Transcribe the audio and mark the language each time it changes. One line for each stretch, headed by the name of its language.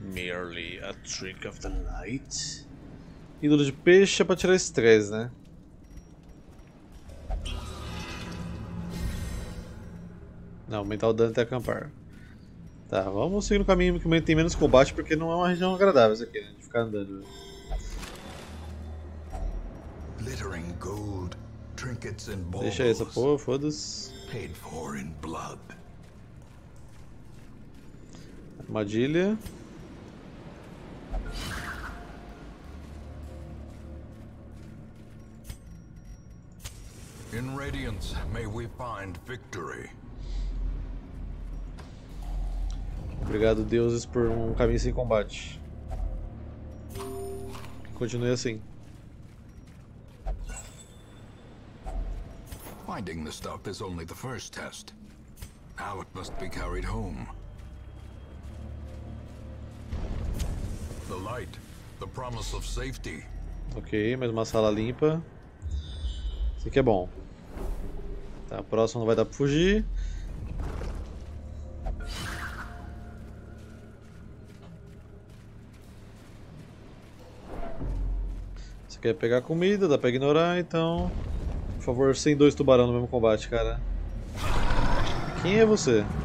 English: Or is it merely a trick of the light?
Portuguese: Ídolo de peixe é pra tirar estresse, né? Não, aumentar o dano até acampar. Tá, vamos seguir no caminho que tem menos combate, porque não é uma região agradável isso aqui, né? De ficar andando.
English: Glittering gold. Trinkets and balls.
Portuguese: Deixa essa porra, foda-se.
English: Paid for in blood.
Portuguese: Armadilha.
English: In radiance, may we find victory.
Portuguese: Obrigado, deuses, por um caminho sem combate. Continue assim.
English: Finding the stuff is only the first test. Now it must be carried home. The light, the promise of safety.
Portuguese: Ok, mais uma sala limpa. Isso aqui é bom. Tá, a próxima não vai dar pra fugir. Você quer pegar comida, dá pra ignorar, então. Por favor, sem dois tubarão no mesmo combate, cara. Quem é você?